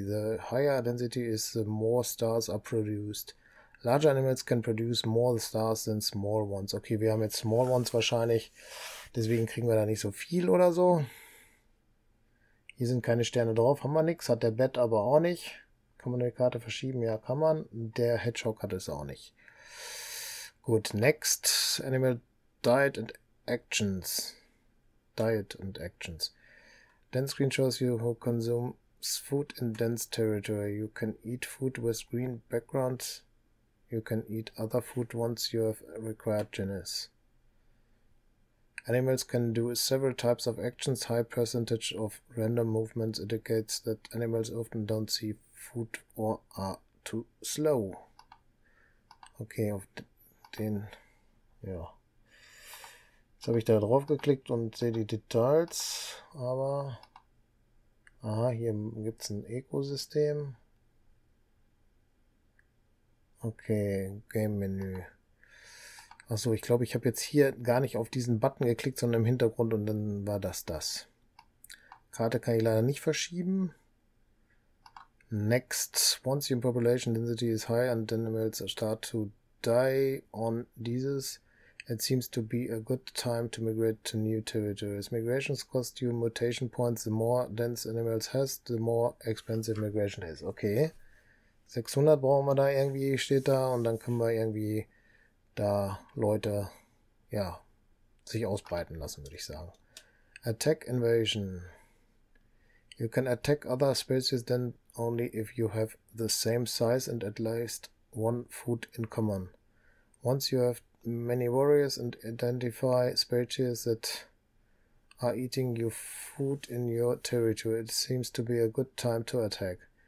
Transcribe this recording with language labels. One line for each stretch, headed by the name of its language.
English: The higher density is, the more stars are produced. Large animals can produce more stars than small ones.
German: Okay, wir haben jetzt
English: small ones
German: wahrscheinlich. Deswegen kriegen wir da nicht so viel oder so. Hier sind keine Sterne drauf, haben wir nichts. Hat der Bat aber auch nicht. Kann man eine Karte verschieben? Ja, kann man. Der Hedgehog hat es auch nicht. Gut, next.
English: Animal diet and actions. Diet and actions. Dense Green shows you who consumes food in dense territory. You can eat food with green background. You can eat other food once you have required genus. Animals can do several types of actions. High percentage of random movements indicates that animals often don't see food or are too slow.
German: Okay, auf den, ja. Jetzt habe ich da drauf geklickt und sehe die Details, aber aha, hier gibt's ein Ökosystem. Okay, Game Menü. Achso, ich glaube, ich habe jetzt hier gar nicht auf diesen Button geklickt, sondern im Hintergrund und dann war das. Karte kann ich leider nicht verschieben.
English: Next, once your population density is high and animals start to die on diseases, it seems to be a good time to migrate to new territories. Migrations cost you mutation points. The more dense animals has, the more expensive migration is. Okay.
German: 600 brauchen wir da irgendwie, steht da, und dann können wir irgendwie da Leute, ja, sich ausbreiten lassen, würde ich sagen.
English: Attack Invasion. You can attack other species then only if you have the same size and at least one food in common. Once you have many warriors and identify species that are eating your food in your territory, it seems to be a good time to attack.